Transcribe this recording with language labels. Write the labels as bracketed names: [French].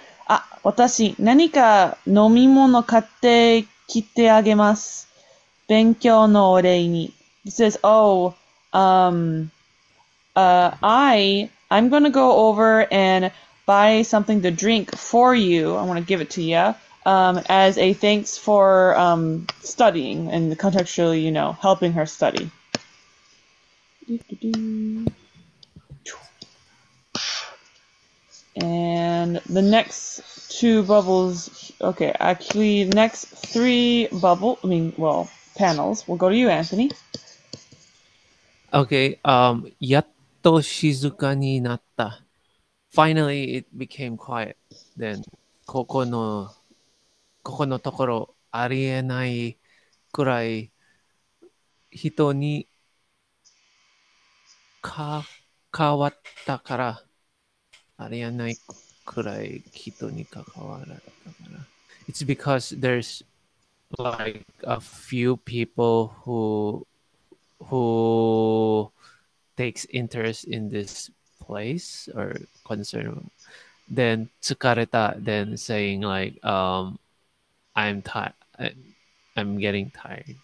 [Japanese] あ、私、何か飲み物買ってきてあげます。勉強のお礼に。 [English] He says, I'm gonna go over and buy something to drink for you. I wanna give it to you. As a thanks for, studying and contextually, you know, helping her study. And the next two bubbles, okay, actually, next three bubble, I mean, well, panels, will go to you, Anthony. [Japanese] Okay, yatto shizuka ni natta. [English] Finally, it became quiet. [Japanese] Then, ここのところありえないくらい人に関わったから、ありえないくらい人に関わったから。 [English] It's because there's like a few people who takes interest in this place or concern. Then 疲れた, then saying like, I'm getting tired.